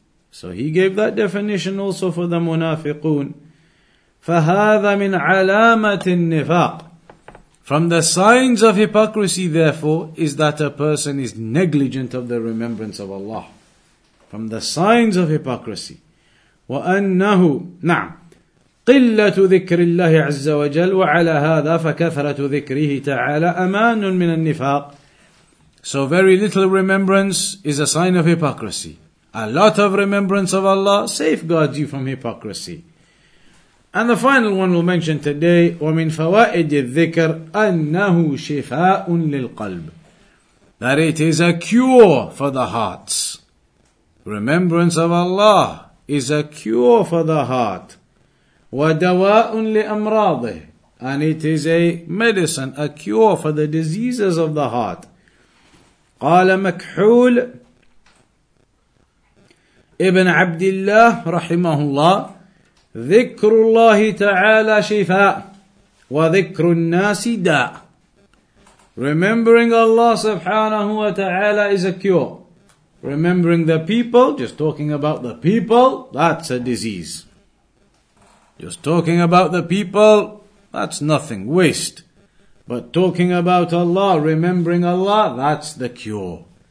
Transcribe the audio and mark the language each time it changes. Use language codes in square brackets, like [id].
[en] So he gave that definition also for the munafiqun. [ar] فَهَذَا مِنْ عَلَامَةِ النِّفَاقِ. [en] From the signs of hypocrisy, therefore, is that a person is negligent of the remembrance of Allah. From the signs of hypocrisy. [ar] وأنه نعم قلة ذكر الله عز وجل وعلى هذا فكثرة ذكره تعالى أمان من النفاق. [en] So very little remembrance is a sign of hypocrisy. A lot of remembrance of Allah safeguards you from hypocrisy. And the final one we'll mention today, [ar] ومن فوائد الذكر أنه شفاء للقلب. [en] That it is a cure for the hearts. Remembrance of Allah is a cure for the heart. [ar] وَدَوَاءٌ لِأَمْرَاضِهِ. [en] And it is a medicine, a cure for the diseases of the heart. [ar] قَالَ مَكْحُولِ ابن عبد الله رحمه الله ذكر الله تعالى شفاء وذكر الناس داء. [en] Remembering Allah subhanahu wa ta'ala is a cure. Remembering the people, just talking about the people, that's a disease. Just talking about the people, that's nothing, waste. But talking about Allah, remembering Allah, that's the cure.